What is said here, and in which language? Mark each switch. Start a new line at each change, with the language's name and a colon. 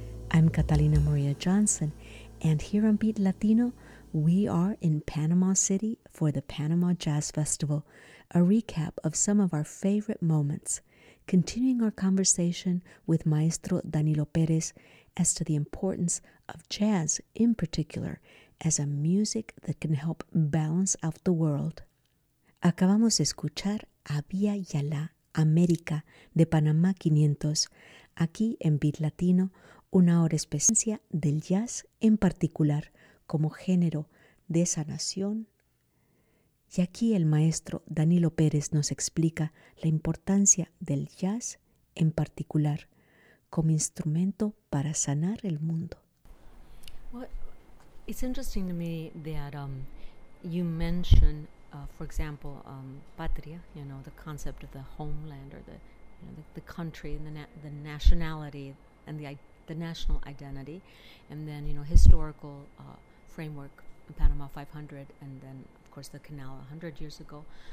English: I'm Catalina Maria Johnson, and here on Beat Latino, we are in Panama City for the Panama Jazz Festival, a recap of some of our favorite moments, continuing our conversation with Maestro Danilo Perez as to the importance of jazz in particular as a music that can help balance out the world.
Spanish: Acabamos de escuchar a Via Yala, América, de Panamá 500, aquí en Beat Latino, una hora especial del jazz en particular como género de esa nación. Y aquí el maestro Danilo Perez nos explica la importancia del jazz en particular como instrumento para sanar el mundo.
English: Well, it's interesting to me that you mention, for example, patria, you know, the concept of the homeland or the, you know, the country and the nationality and the national identity, and then, you know, historical framework, Panama 500, and then, of course, the canal 100 years ago.